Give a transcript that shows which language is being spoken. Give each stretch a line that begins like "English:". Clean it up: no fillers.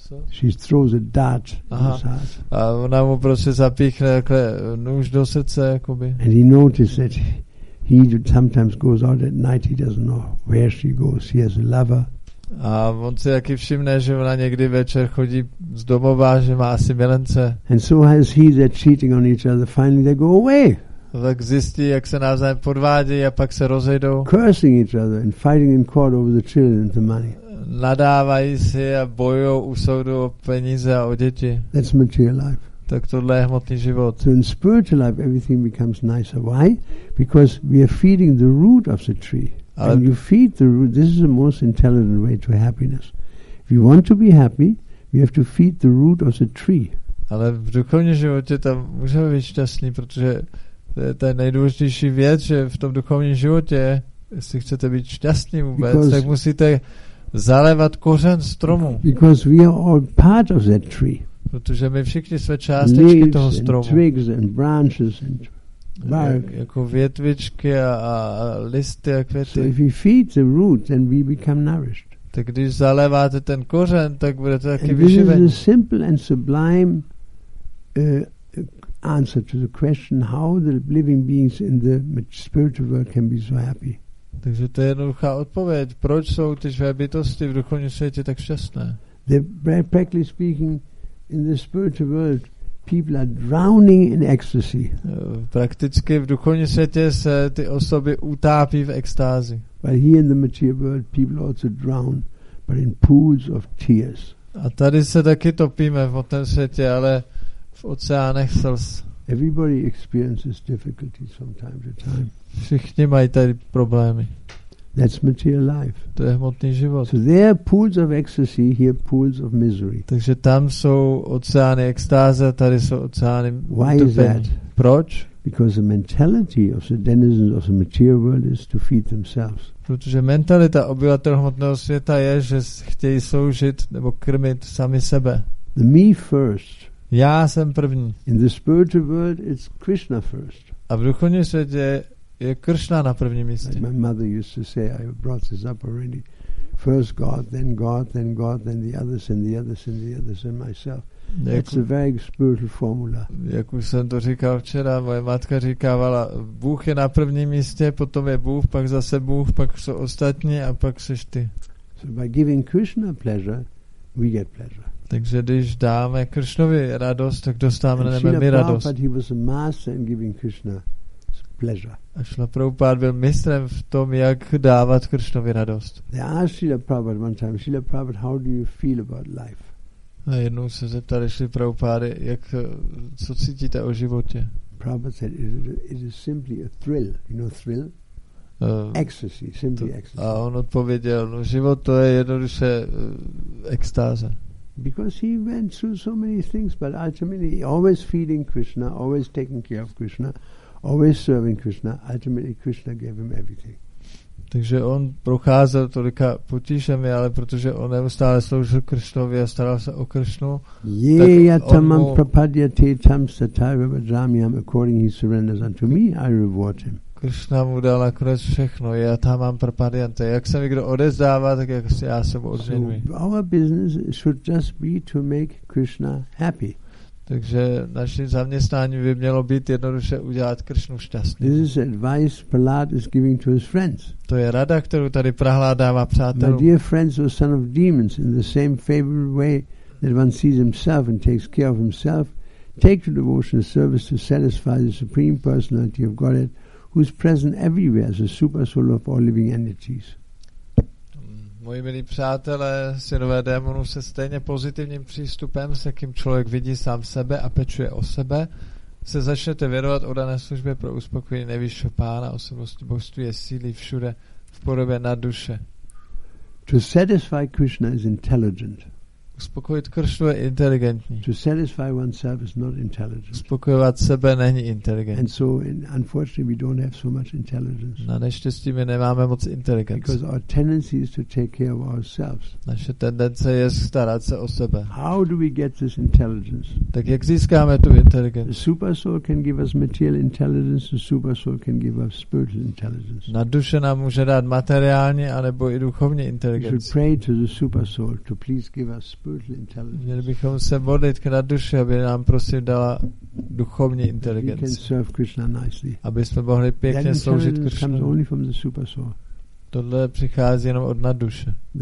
English: She throws a dart in his heart.
Czech: A ona mu prostě zapíchne takhle nůž do srdce, jakoby.
English: And he notices that he sometimes goes out at night, he doesn't know where she goes, he has a lover.
Czech: A on si taky všimne, že ona někdy večer chodí z domova, že má asi milence.
English: And so as he, they're cheating on each other, finally they go away.
Czech: Tak zjistí, jak se navzájem podvádějí a pak se rozejdou.
English: Cursing each other and fighting in court over the children and the money.
Czech: Nadávají si a bojují u soudu o peníze a o děti.
English: That's material life.
Czech: Tak tohle je hmotný život.
English: So in spiritual life everything becomes nicer. Why? Because we are feeding the root of the tree. And you feed the root. This is the most intelligent way to happiness. If you want to be happy, we have to feed the root of the tree.
Czech: Ale v duchovním životě tam můžeme být šťastní, protože to je ta nejdůležitější věc, že v tom duchovním životě, jestli chcete být šťastní vůbec,
English: because
Czech: tak musíte zalévat kořen stromu.
English: Because we are all part of that tree.
Czech: Protože my všichni jsme částečky toho stromu.
English: Leaves and twigs and branches and bark.
Czech: Jako větvičky a listy a květy.
English: So if you feed the root, then we become nourished.
Czech: Tak když zaléváte ten kořen, tak budete taky vyživení.
English: And this is a simple and sublime answer to the question how the living beings in the spiritual world can be so happy.
Czech: Takže to je jednoduchá odpověď. Proč jsou ty živé bytosti v duchovním světě tak šťastné?
English: Practically speaking, in the spiritual world, people are drowning in ecstasy.
Czech: Prakticky v duchovním světě se ty osoby utápí v extázi.
English: But here in the material world, people also drown, but in pools of tears.
Czech: A tady se taky topíme v hmotném světě, ale v oceánech slz.
English: Everybody experiences difficulties from time to time.
Czech: Všichni mají tady problémy.
English: That's material life.
Czech: To je hmotný život.
English: So there are pools of ecstasy, here are pools of misery.
Czech: Takže tam jsou oceány extáze, tady jsou oceány utrpení.
English: Why is that?
Czech: Proč?
English: Because the mentality of the denizens of the material world is to feed themselves.
Czech: Protože mentalita obyvatel hmotného světa je, že chtějí soužit nebo krmit sami sebe.
English: The me first.
Czech: Já jsem první.
English: In the spiritual world it's Krishna first.
Czech: A v duchovním světě je Kršna na prvním místě.
English: Like my mother used to say, I brought this up already. First God, then God, then God, then the others, and the others, and the others, and myself. That's a very spiritual formula.
Czech: Jak už jsem to říkal včera, moje matka říkávala, Bůh je na prvním místě, potom je Bůh, pak zase Bůh, pak jsou ostatní a pak seš ty.
English: So by giving Krishna pleasure, we get pleasure.
Czech: Takže když dáme Kršnovi radost, tak dostáváme na nebe my radost.
English: But he was a master in giving Krishna pleasure.
Czech: A Šrila Prabhupada byl mistrem v tom, jak dávat Kršnovi radost.
English: They asked Šrila Prabhupada one time, Šrila Prabhupada, how do you feel about life?
Czech: A jednou se zeptali Šrila Prabhupada, jak, co cítíte o životě?
English: Prabhupada said, it is simply a thrill. You know thrill? Ecstasy, simply ecstasy.
Czech: A on odpověděl, no život to je jednoduše extáze.
English: Because he went through so many things, but ultimately always feeding Krishna, always taking care of Krishna, always serving Krishna, ultimately Krishna gave him everything.
Czech: Takže on procházel tolika potížemi, ale protože on neustále sloužil Krishnovi a staral se o Krishnu.
English: Yeah,
Sanskrit: tamam prapadyate tam satyam vadramyam,
English: according he surrenders unto me, I reward him.
Czech: Krishna mu dal nakonec všechno, já tam mám prapadyante. Jak se mi kdo odezdává, tak jak si já se mu odměňuji.
English: So our business should just be to make Krishna happy.
Czech: Takže naším zaměstnáním by mělo být jednoduše udělat Kršnu šťastný.
English: This is advice Prahlad is giving to his friends.
Czech: To je rada, kterou tady Prahlad dává přátelům.
English: My dear friends, the son of demons, in the same favorable way that one sees himself and takes care of himself, take to devotion service to satisfy the supreme personality of Godhead, who is present everywhere as the super soul of all living entities.
Czech: Moji milí přátelé, synové démonů, se stejně pozitivním přístupem, s jakým člověk vidí sám sebe a pečuje o sebe, se začnete věnovat o dané službě pro uspokojení nejvyššího pána, osobnosti božství je síly všude v podobě na duše.
English: To satisfy Krishna is intelligent.
Czech: Uspokojit Kršnu je inteligentní.
English: To satisfy oneself is not intelligent.
Czech: Uspokojovat sebe není inteligentní.
English: And so unfortunately we don't have so much intelligence.
Czech: Na neštěstí my nemáme moc inteligence.
English: Because our tendency is to take care of ourselves.
Czech: Naše tendence je starat se o sebe.
English: How do we get this intelligence?
Czech: Tak jak získáme tu inteligenci?
English: The super soul can give us material intelligence, the super soul can give us spiritual intelligence.
Czech: Na duše nám může dát materiální anebo i duchovní inteligenci.
English: We should pray to the super soul to please give us.
Czech: Měli bychom se modlit k naduši, aby nám prosím dala duchovní inteligenci. Aby jsme mohli pěkně sloužit Kršnu. Tohle přichází jenom od naduše.